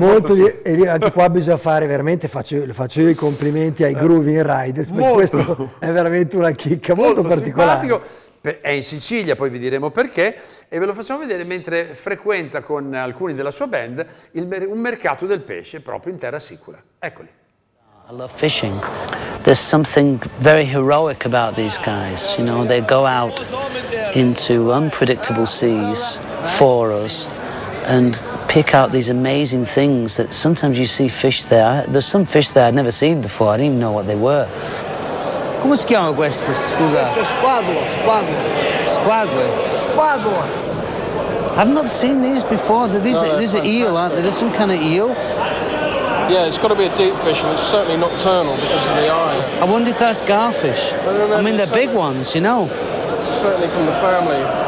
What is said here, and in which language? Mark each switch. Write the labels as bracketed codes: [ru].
[it] Anche qua bisogna fare veramente, faccio i complimenti ai Grooving Riders, perché questo è veramente una chicca molto particolare. È in Sicilia, poi vi diremo perché, e ve lo facciamo vedere mentre frequenta con alcuni della sua band un mercato del pesce proprio in terra sicula. Eccoli. [en] I love fishing. There's something very heroic about these guys, you know, they go out into unpredictable seas for us and pick out these amazing things that sometimes you see fish there. There's some fish there I'd never seen before, I didn't even know what they were. [it] Come si chiama questo, scusa? Squadua. Squadua? [en] I've not seen these before. These are eel, aren't they? There's some kind of eel? Yeah, it's got to be a deep fish, and it's certainly nocturnal because of the eye. I wonder if that's garfish. No, I mean, they're big ones, you know. Certainly from the family.